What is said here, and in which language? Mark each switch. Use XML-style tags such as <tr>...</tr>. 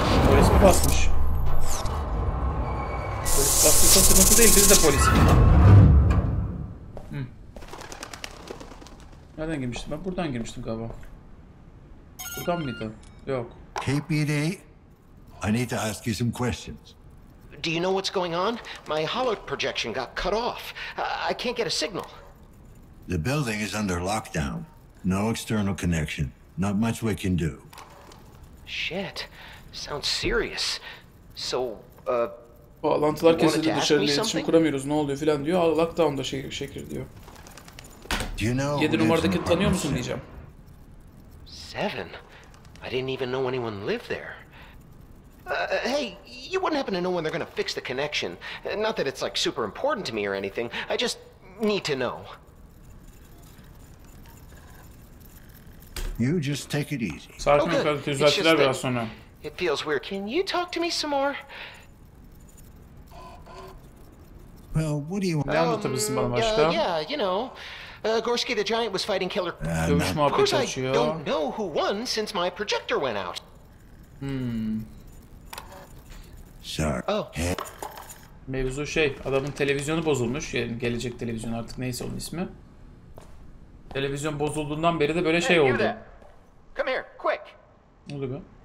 <tr>Polis mi basmış? Polis bastıysa sıkıntı değil, biz de polisiz. Nereden girmiştim? Ben buradan girmiştim galiba. Buradan mıydı? Yok.</tr> <en>KPD, I need to ask you some questions. Do you know what's going on? My holo projection got cut off. I can't get a signal. The building is under lockdown. No external connection. Not much we can do. Shit. Sounds serious. So,</en> <tr>bağlantılar kesildi, dışarıyla iletişim kuramıyoruz. Ne oluyor filan diyor. Lockdown da şekil diyor. 7 numaradaki tanıyor musun diyeceğim. 7.</tr> <en>I didn't even know anyone lived there. Hey, you wouldn't happen to know when they're going to fix the connection? Not that it's like super important to me or anything. I just need to know. You just take it easy.</en> <tr>Sakin ol, düzeltirler biraz sonra.</tr> <en>It feels weird. Can you talk to me some more? Well, what do you want?</en> <tr>Ne anlatabilirsin bana başka?</tr> <en>Yeah, you know. Gorski the Giant was fighting Killer.</en> <tr>Dövüş muhabbeti açıyor.</tr> <en>Of course I don't know who won since my projector went out. Sir. Oh.</en> <tr>Mevzu şey, adamın televizyonu bozulmuş. Yani gelecek televizyon, artık neyse onun ismi. Televizyon bozulduğundan beri de böyle şey oldu.</tr> <en>Come here, quick.</en> <tr>Ne oldu be?</tr>